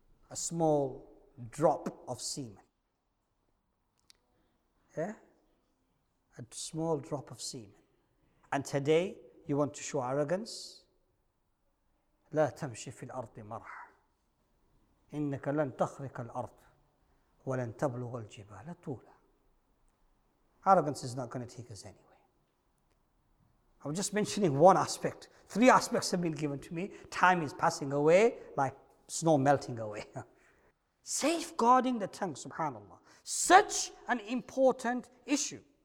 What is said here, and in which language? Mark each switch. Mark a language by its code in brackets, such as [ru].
[en] A small drop of semen. Yeah? A small drop of semen. And today, you want to show arrogance? [ar] لا تمشي في الأرض مرح. إنك لن تخرق الأرض ولن تبلغ الجبال طولا. [en] Arrogance is not going to take us anywhere. I'm just mentioning one aspect. Three aspects have been given to me. Time is passing away like snow melting away. Safeguarding the tongue, subhanAllah. Such an important issue.